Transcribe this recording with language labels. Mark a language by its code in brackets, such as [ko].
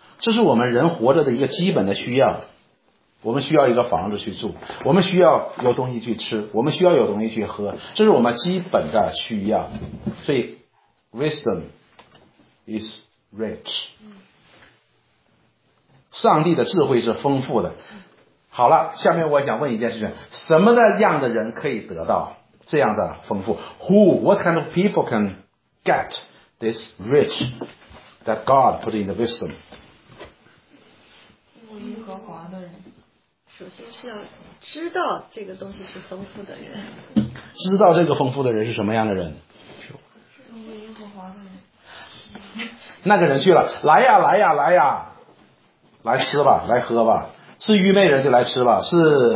[zh] 这是我们人活着的一个基本的需要。我们需要一个房子去住，我们需要有东西去吃，我们需要有东西去喝，这是我们基本的需要。所以 [en] wisdom is rich. [zh] 上帝的智慧是丰富的。好了，下面我想问一件事情，什么的样的人可以得到这样的丰富？ [en] Who, what kind of people can get this rich that God put in the wisdom? [zh] 敬畏耶和华的人，首先是要知道这个东西是丰富的人。知道这个丰富的人是什么样的人？敬畏耶和华的人。那个人去了，来呀来呀来呀。来吃吧，来喝吧，是愚昧人就来吃吧，是。